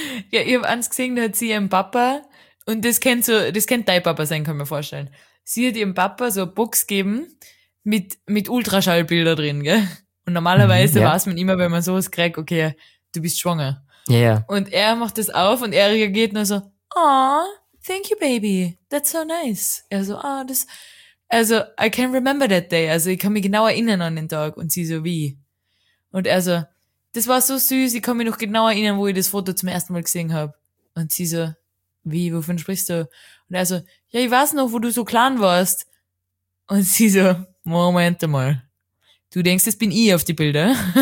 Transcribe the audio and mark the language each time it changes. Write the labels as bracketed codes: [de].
[de] Ja, ich habe eins gesehen, da hat sie ihren Papa. Und das kennt dein Papa sein, kann ich mir vorstellen. Sie hat ihrem Papa so eine Box gegeben mit Ultraschallbilder drin, gell? Und normalerweise weiß man immer, wenn man sowas kriegt, okay, du bist schwanger. Ja, ja. Und er macht das auf und er reagiert nur so, aw, [en] thank you, baby, that's so nice. [de] Er so, ah, das, also, [en] I can remember that day. [de] Also, ich kann mich genau erinnern an den Tag. Und sie so, wie? Und er so, das war so süß, ich kann mich noch genau erinnern, wo ich das Foto zum ersten Mal gesehen habe. Und sie so, wie, wovon sprichst du? Und er so, ja, ich weiß noch, wo du so klein warst. Und sie so, Moment mal, du denkst, das bin ich auf die Bilder.